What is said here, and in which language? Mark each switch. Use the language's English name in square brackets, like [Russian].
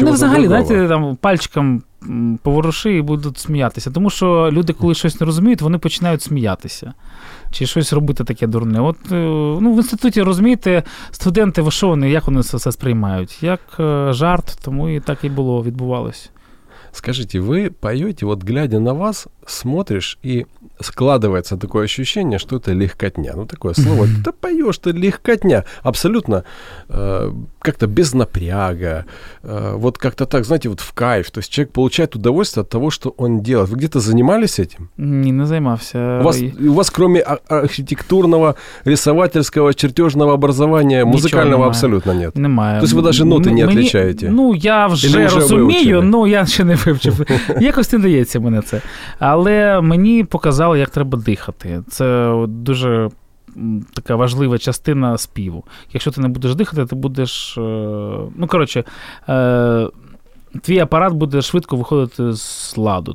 [Ukrainian] Вони взагалі, знаєте, там пальчиком поворуши і будуть сміятися. Тому що люди, коли щось не розуміють, вони починають сміятися. Чи щось робити таке дурне. От, ну, в інституті, розумієте, студенти, що вони, як вони все сприймають? Як жарт, тому і так і було, відбувалося. [Russian] Скажите, [Ukrainian] ви поєте, от [Russian] глядя на вас, смотриш [Ukrainian] і [Russian] складывается такое ощущение, что это легкотня. Ну, такое слово. Да поешь ты, легкотня. Абсолютно как-то без напряга. Вот как-то так, знаете, вот в кайф. То есть человек получает удовольствие от того, что он делает. Вы где-то занимались этим? [Ukrainian] Не, не займався. [Russian] У вас кроме архитектурного, рисовательского, чертежного образования, музыкального [Ukrainian] немає. [Russian] Абсолютно нет? [Ukrainian] Немає. [Russian] То есть вы даже ноты не отличаете? [Ukrainian] Ну, я вже розумію, но я ще не вивчив. Якось не дається мені це. Але мені показали, як треба дихати. Це дуже така важлива частина співу. Якщо ти не будеш дихати, ти будеш... Ну, коротше, твій апарат буде швидко виходити з ладу.